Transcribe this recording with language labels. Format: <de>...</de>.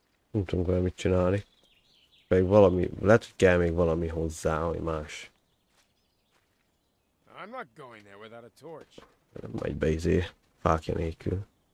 <hu>Nem tudunk valamit csinálni. Meg valami, lehet, hogy kell még valami hozzá, ami más.</hu> <en>I'm not going there without a torch.</en> <hu>Majd beizé, fákja nélkül.</hu>